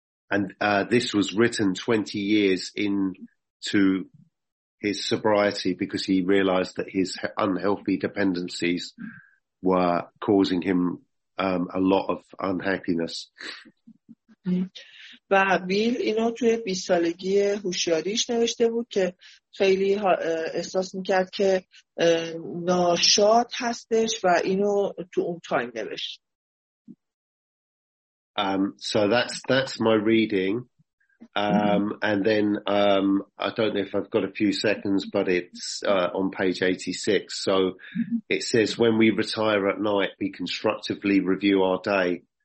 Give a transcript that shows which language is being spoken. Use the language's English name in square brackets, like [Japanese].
[English] And this was written 20 years into his sobriety because he realized that his unhealthy dependencies were causing him a lot of unhappiness. [Persian] و بیل اینو توی 20 سالگی هوشیاریش نوشته بود که خیلی احساس میکرد که ناشاد هستش و اینو تو اون تایم نوشت. [English] So that's my reading. And then I don't know if I've got a few seconds, but it's on page 86. So it says, when we retire at night, we constructively review our day.